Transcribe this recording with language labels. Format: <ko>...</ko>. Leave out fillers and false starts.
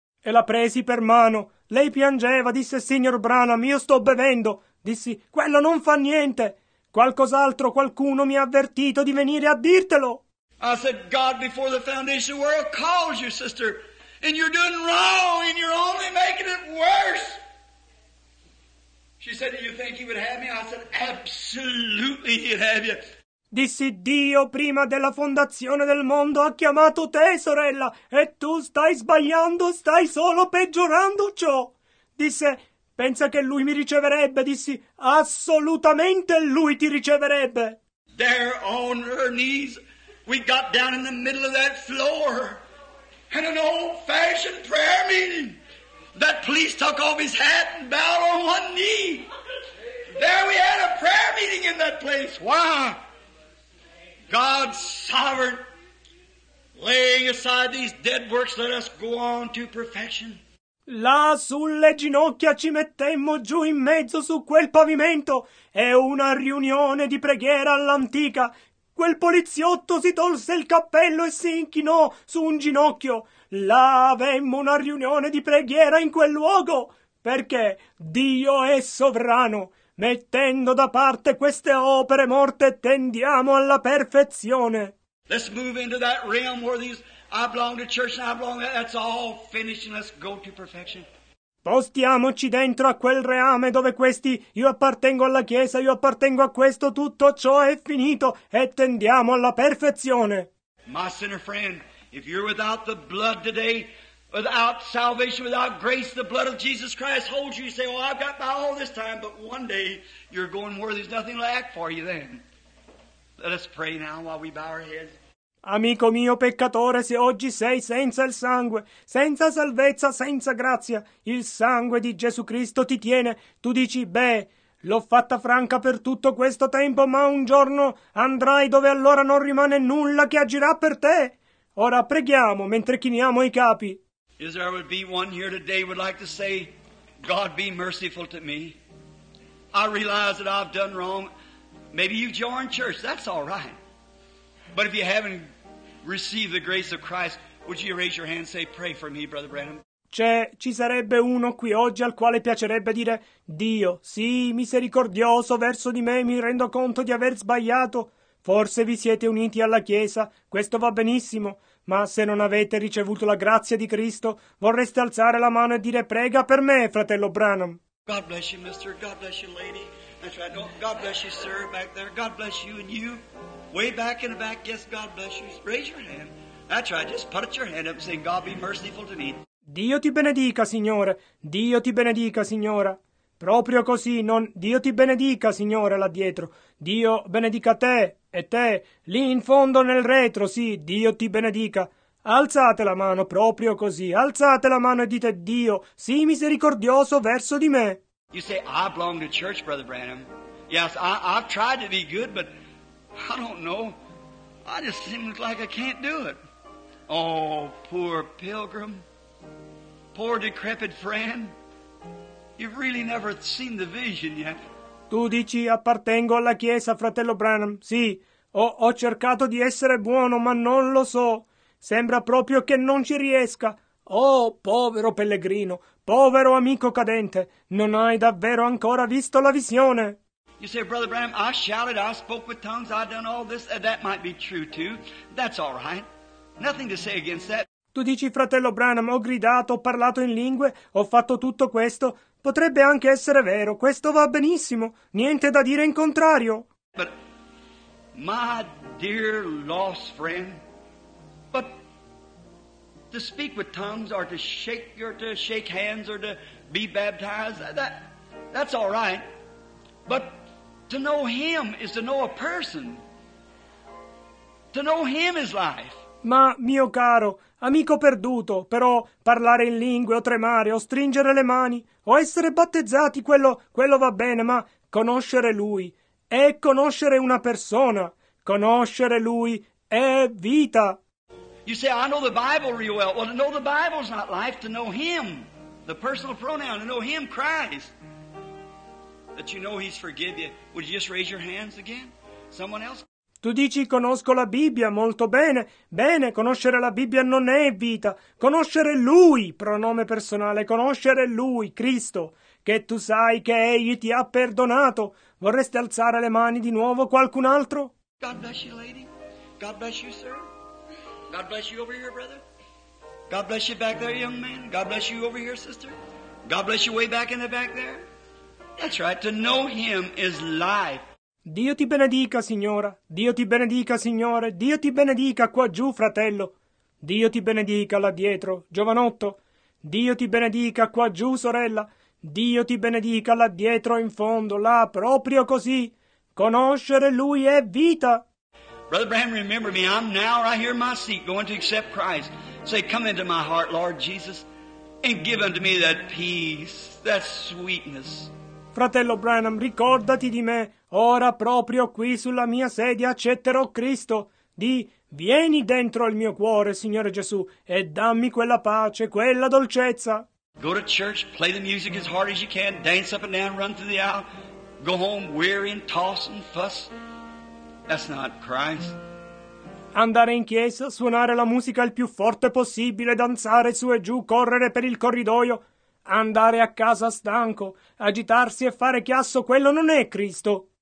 <it>E la presi per mano. Lei piangeva, disse, signor Branham, io sto bevendo. Dissi, quello non fa niente. Qualcos'altro, qualcuno mi ha avvertito di venire a dirtelo.</it> <en>I said, God before the foundation of the world calls you, sister, and you're doing wrong, and you're only making it worse. She said, do you think he would have me? I said, absolutely he'd have you.</en> <it>Dissi, Dio prima della fondazione del mondo ha chiamato te, sorella, e tu stai sbagliando, stai solo peggiorando ciò. Disse, pensa che lui mi riceverebbe. Dissi, assolutamente lui ti riceverebbe.</it> <en>There on her knees, we got down in the middle of that floor, and an old-fashioned prayer meeting. That priest took off his hat and bowed on one knee. There we had a prayer meeting in that place. Why? God's sovereign, laying aside these dead works, let us go on to perfection.</en> <it>Là sulle ginocchia ci mettemmo giù in mezzo su quel pavimento. È una riunione di preghiera all'antica. Quel poliziotto si tolse il cappello e si inchinò su un ginocchio. Là avemmo una riunione di preghiera in quel luogo, perché Dio è sovrano. Mettendo da parte queste opere morte, tendiamo alla perfezione.</it> <en>Let's move into that realm where these, I belong to church and I belong to, that's all finished and let's go to perfection.</en> <it>Postiamoci dentro a quel reame dove questi, io appartengo alla Chiesa, io appartengo a questo, tutto ciò è finito e tendiamo alla perfezione.</it> <en>My sinner friend, if you're without the blood today, without salvation, without grace, the blood of Jesus Christ holds you. You say, oh, I've got by all this time, but one day you're going where there's nothing left for you then. Let us pray now while we bow our heads.</en> <it>Amico mio peccatore, se oggi sei senza il sangue, senza salvezza, senza grazia, il sangue di Gesù Cristo ti tiene, tu dici, beh, l'ho fatta franca per tutto questo tempo, ma un giorno andrai dove allora non rimane nulla che agirà per te. Ora preghiamo mentre chiniamo i capi.</it> <en>Is there would be one here today would like to say, God be merciful to me. I realize that I've done wrong. Maybe you've joined church, that's all right. But if you haven't received the grace of Christ, would you raise your hand and say, pray for me, Brother Branham?</en> <it>Ci sarebbe uno qui oggi al quale piacerebbe dire, Dio, sii misericordioso verso di me, mi rendo conto di aver sbagliato. Forse vi siete uniti alla Chiesa, questo va benissimo, ma se non avete ricevuto la grazia di Cristo, vorreste alzare la mano e dire, prega per me, fratello Branham.</it> <en>God bless you, mister. God bless you, lady. That's right. Oh, God bless you, sir, back there. God bless you and you. Way back in the back, yes, God bless you. Raise your hand. That's right, just put your hand up and say, God be merciful to me.</en> <it>Dio ti benedica, signore. Dio ti benedica, signora. Proprio così, non Dio ti benedica, signore, là dietro. Dio benedica te e te, lì in fondo nel retro, sì, Dio ti benedica. Alzate la mano, proprio così. Alzate la mano e dite, Dio, sii misericordioso verso di me.</it> <en>You say, I belong to church, Brother Branham. Yes, I've tried to be good, but I don't know. I just seem like I can't do it. Oh, poor pilgrim. Poor decrepit friend. You've really never seen the vision yet.</en> <it>Tu dici, appartengo alla Chiesa, fratello Branham. Sì, ho cercato di essere buono, ma non lo so. Sembra proprio che non ci riesca. Oh, povero pellegrino, povero amico cadente, non hai davvero ancora visto la visione.</it> <en>You say, Brother Branham, I shouted, I spoke with tongues, I done all this, that might be true too, that's all right, nothing to say against that.</en> <it>Tu dici, fratello Branham, ho gridato, ho parlato in lingue, ho fatto tutto questo, potrebbe anche essere vero, questo va benissimo, niente da dire in contrario.</it> <en>But, my dear lost friend, but to speak with tongues or to shake hands or to be baptized, that's all right. But to know him is to know a person. To know him is life.</en> <it>Ma mio caro, amico perduto, però parlare in lingue o tremare o stringere le mani o essere battezzati, quello va bene, ma conoscere lui è conoscere una persona. conoscere Lui è vita.</it> <en>You say, I know the Bible real well. Well, to know the Bible is not life, to know Him, the personal pronoun, to know Him, Christ. That you know He's forgive you. Would you just raise your hands again? Someone else?</en> <it>Tu dici, conosco la Bibbia molto bene. Bene, conoscere la Bibbia non è vita. Conoscere Lui, pronome personale, conoscere Lui, Cristo, che tu sai che Egli ti ha perdonato. Vorresti alzare le mani di nuovo, qualcun altro?</it> <en>God bless you, lady. God bless you, sir. God bless you over here, brother. God bless you back there, young man. God bless you over here, sister. God bless you way back in the back there. That's right, to know Him is life.</en> <it>Dio ti benedica, signora. Dio ti benedica, signore. Dio ti benedica qua giù, fratello. Dio ti benedica là dietro, giovanotto. Dio ti benedica qua giù, sorella. Dio ti benedica là dietro, in fondo, là, proprio così. Conoscere Lui è vita.</it> <en>Brother Branham, remember me. I'm now right here in my seat going to accept Christ. Say, come into my heart, Lord Jesus, and give unto me that peace, that sweetness.</en> <it>Fratello Branham, ricordati di me. Ora proprio qui sulla mia sedia accetterò Cristo. Di, vieni dentro il mio cuore, Signore Gesù, e dammi quella pace, quella dolcezza.</it> <en>Go to church, play the music as hard as you can, dance up and down, run through the aisle, go home weary and toss and fuss. That's not Christ.</en> <it>Andare in chiesa, suonare la musica il più forte possibile, danzare su e giù, correre per il corridoio, andare a casa stanco, agitarsi e fare chiasso, quello non è Cristo.</it>